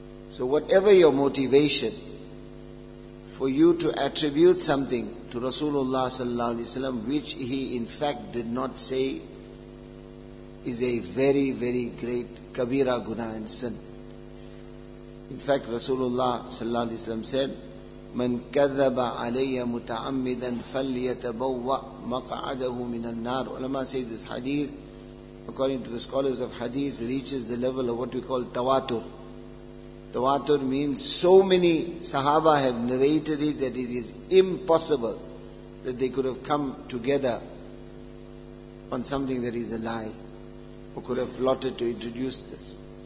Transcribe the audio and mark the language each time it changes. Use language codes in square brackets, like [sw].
[en] So whatever your motivation for you to attribute something to Rasulullah sallallahu alaihi wasallam, which he in fact did not say, is a very, very great kabira guna and sin. In fact, Rasulullah sallallahu alaihi wasallam said, [ar] من كذب علي متعمدا فليتبوأ مقعده من النار. [en] Ulama say this hadith, according to the scholars of hadith, reaches the level of what we call tawatur. Tawatur means so many sahaba have narrated it that it is impossible that they could have come together on something that is a lie or could have plotted to introduce this.